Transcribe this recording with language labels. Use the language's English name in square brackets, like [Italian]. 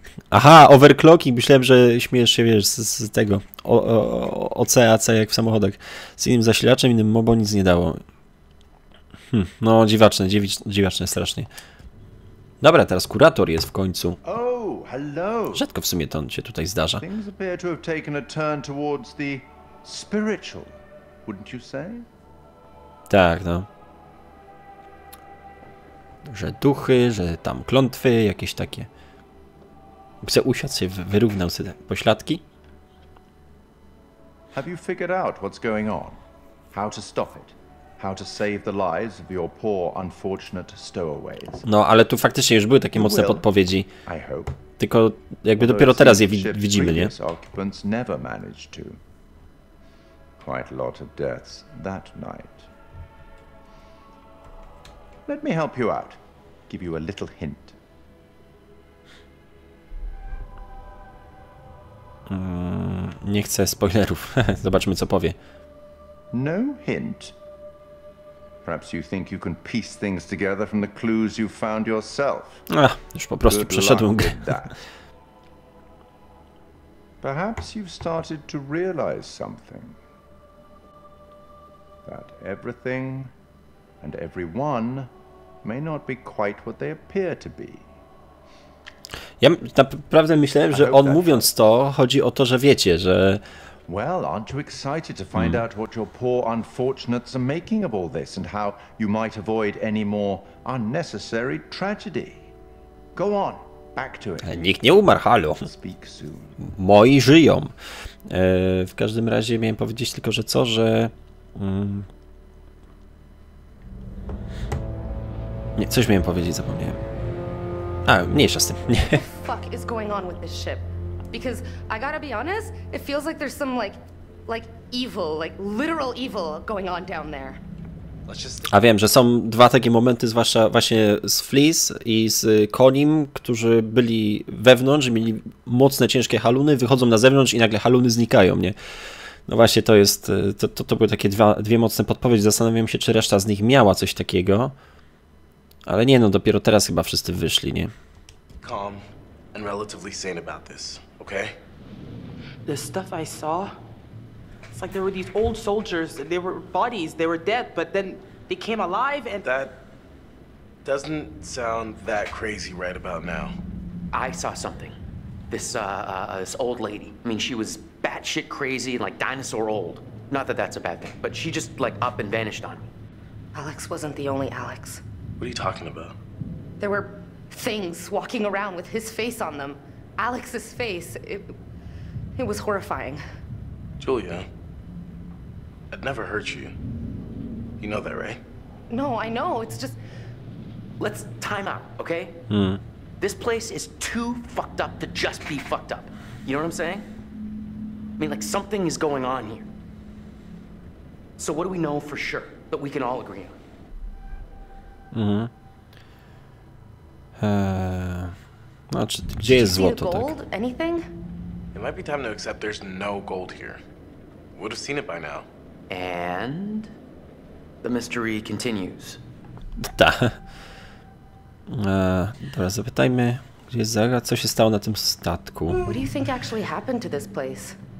[Polish] Aha, overclocking, myślałem, że śmiesz się, wiesz, z tego. OC, AC jak w samochodach. Z innym zasilaczem, innym MOBO nic nie dało. No, dziwaczne, dziwaczne strasznie. Dobra, teraz kurator jest w końcu. [English] Hello. [Polish] Rzadko w sumie to się tutaj zdarza. [English] Things appear to have taken a turn towards the spiritual, wouldn't you say? [Polish] Tak, no. Że duchy, że tam klątwy, jakieś takie. Chcę usiąść się, wyrównał sobie pośladki. [English] Have you figured out what's going on? How to stop it? How to save the lives of your poor, unfortunate stowaways. [Polish] No, ale tu faktycznie już były takie mocne podpowiedzi. Tylko jakby dopiero teraz je widzimy, nie? [English] Occupants never managed to. Quite a lot of deaths that night. Let me help you out. Give you a little hint. [Polish] Nie chcę spoilerów. Zobaczmy, co powie. [English] No hint. Perhaps you think you can piece things together from the clues you found yourself. [Polish] Ach, już po prostu przeszedłem grę. [English] Perhaps you've started to realize something. That everything and everyone may not be quite what they appear to be. [Polish] Ja naprawdę myślałem, że on mówiąc to, chodzi o to, że wiecie, że [English] Well, aren't you excited to find out what your poor unfortunates are making of all this and how you might avoid any more unnecessary tragedy? Go on, back to it. [Polish] Nikt nie umarł, halo. Moi żyją. W każdym razie miałem powiedzieć tylko, że co, że... Nie, coś miałem powiedzieć, zapomniałem. A, mniejsza z tym. [English] Fuck is going on with this ship? Because I gotta be honest, it feels like there's some like evil, like literal evil going on down there. [Polish] A wiem, że są dwa takie momenty, zwłaszcza właśnie z Fleece i z Konim, którzy byli wewnątrz, mieli mocne, ciężkie haluny, wychodzą na zewnątrz i nagle haluny znikają, nie? No właśnie to jest, to były takie dwie mocne podpowiedzi. Zastanawiam się, czy reszta z nich miała coś takiego. Ale nie, no dopiero teraz chyba wszyscy wyszli, nie? [English] Calm and relatively sane about this, okay? The stuff I saw, it's like there were these old soldiers, they were bodies, they were dead, but then they came alive and... That doesn't sound that crazy right about now. I saw something. This old lady. I mean, she was batshit crazy, like dinosaur old. Not that that's a bad thing, but she just like up and vanished on me. Alex wasn't the only Alex. What are you talking about? There were things walking around with his face on them. Alex's face, it was horrifying. Julia, I'd never hurt you. You know that, right? No, I know, it's just... Let's time out, okay? This place is too fucked up to just be fucked up. You know what I'm saying? I mean, like, something is going on here. So what do we know for sure that we can all agree on? [Polish] Znaczy, gdzie jest złoto, tak? [English] It might be time to accept there's no gold here. Would have seen it by now. And the mystery continues. [Polish] Tak. Dobra, zapytajmy, gdzie jest Zaga, co się stało na tym statku? [English] What do you think actually happened to this place?